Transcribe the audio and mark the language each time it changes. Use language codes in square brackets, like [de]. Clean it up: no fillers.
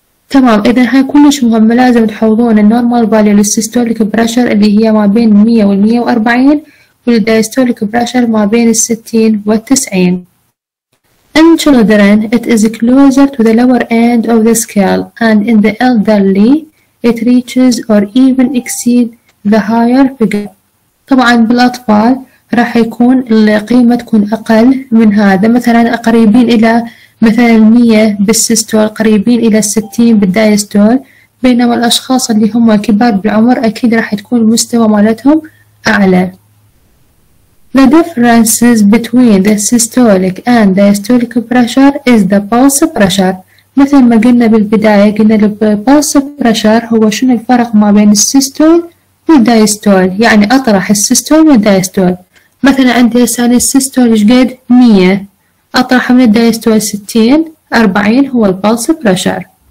[ar] تمام، إذا هاي كلش مهمة، لازم تحوضون النورمال فاليو للسيستوليك بريشر اللي هي ما بين 100 و 140، والدايستوليك بريشر ما بين 60 و 90. [en] In children it is closer to the lower end of the scale and in the elderly it reaches or even exceed the higher figure. [ar] طبعا بالأطفال راح يكون القيمة تكون أقل من هذا، مثلا قريبين إلى مثلا 100 بالسيستول، قريبين إلى 60 بالدايستول، بينما الأشخاص اللي هم كبار بالعمر أكيد راح تكون المستوى مالتهم أعلى. [en] The differences between the systolic and diastolic pressure is the pulse pressure. [ar] مثل ما قلنا بالبداية، قلنا البلس بريشر هو شنو الفرق ما بين السيستول والدايستول، يعني أطرح السيستول والدايستول. مثلا عندي ساني السيستول شقد؟ 100، أطرح من الدايستول 60-40، هو البلس بريشر.